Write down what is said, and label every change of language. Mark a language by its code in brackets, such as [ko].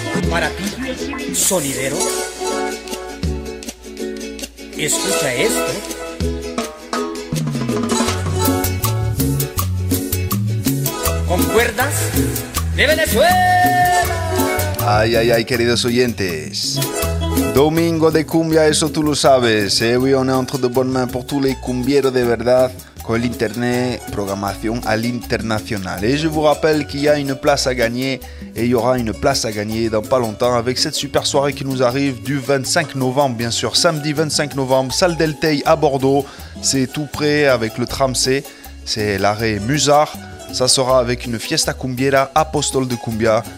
[es] para ti, sonidero, escucha esto. ¿Con cuerdas de Venezuela? Ay, ay, ay, queridos oyentes. Domingo de cumbia, eso tú lo sabes. Hoy [fr] on est entre de bonnes mains pour tous les cumbieros [es] de verdad. Con el internet, programación al internacional. [fr] Et je vous rappelle qu'il y a une place à gagner. Et il y aura une place à gagner dans pas longtemps avec cette super soirée qui nous arrive du 25 novembre, bien sûr. Samedi 25 novembre, salle Delteil à Bordeaux. C'est tout prêt avec le tram C. C'est l'arrêt Musard. Ça sera avec une fiesta cumbiera apostole de cumbia.